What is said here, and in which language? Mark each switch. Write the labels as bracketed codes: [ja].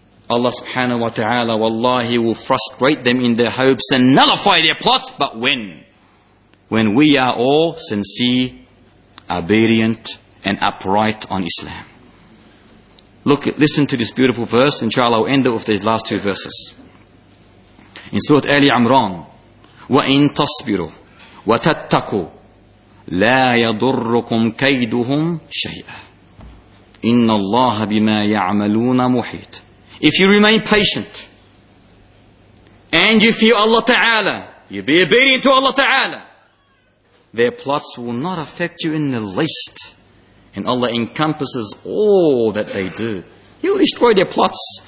[en] Allah subhanahu wa ta'ala, wallahi, will frustrate them in their hopes and nullify their plots, but when we are all sincere, obedient and upright on Islam. Listen to this beautiful verse. Inshallah, I'll end it with these last two verses. In Surah Ali Imran, [ar] وَإِن تَصْبِرُوا وَتَتَّقُوا لَا يَضُرُّكُمْ كَيْدُهُمْ شَيْئًا إِنَّ اللَّهَ بِمَا يَعْمَلُونَ مُحِيطٌ. [en] If you remain patient and you fear Allah Ta'ala, you be obedient to Allah Ta'ala, their plots will not affect you in the least. And Allah encompasses all that they do. You'll destroy their plots.